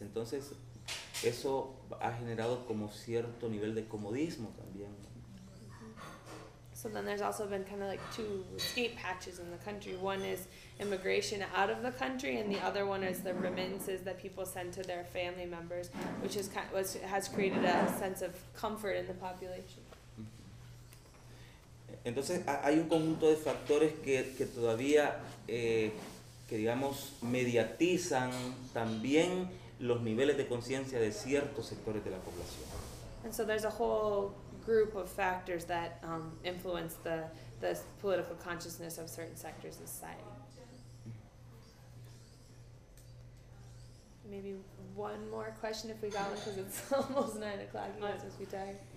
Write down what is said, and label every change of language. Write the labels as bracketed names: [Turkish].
[Spanish] Entonces, eso ha generado como cierto nivel de comodismo también. [English] So then there's also been kind of like two escape hatches in the country. One is immigration out of the country, and the other one is the remittances that people send to their family members, which has created a sense of comfort in the population. [Spanish] Entonces hay un conjunto de factores que todavía, que digamos, mediatizan también los niveles de conciencia de ciertos sectores de la población. [English] And so there's a whole group of factors that influence the political consciousness of certain sectors of society. Maybe one more question if we got one, because it's almost 9 o'clock. You guys must be tired.